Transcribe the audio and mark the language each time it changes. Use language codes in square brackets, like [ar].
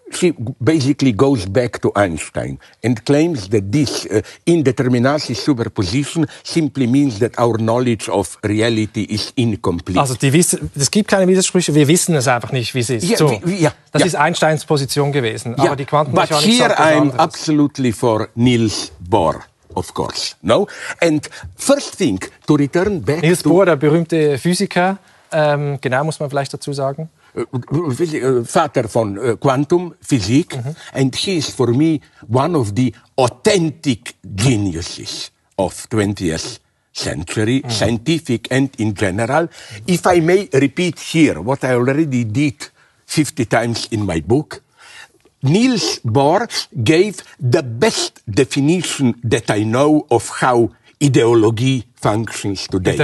[en] She basically goes back to Einstein and claims that this indeterminacy superposition simply means that our knowledge of reality is incomplete. [de] Also, es gibt keine Widersprüche, wir wissen es einfach nicht, wie es ist. Ist Einsteins Position gewesen. Ja. Aber die Quantenmechanik sagt was anderes. [en] But here I'm absolutely for Niels Bohr, of course. No? And first thing, to return back [de] Niels Bohr, der berühmte Physiker, genau muss man vielleicht dazu sagen. Vater von Quantum Physik, mm-hmm. [en] And he is for me one of the authentic geniuses of 20th century, mm-hmm. scientific and in general. If I may repeat here what I already did 50 times in my book, Niels Bohr gave the best definition that I know of how ideology functions today.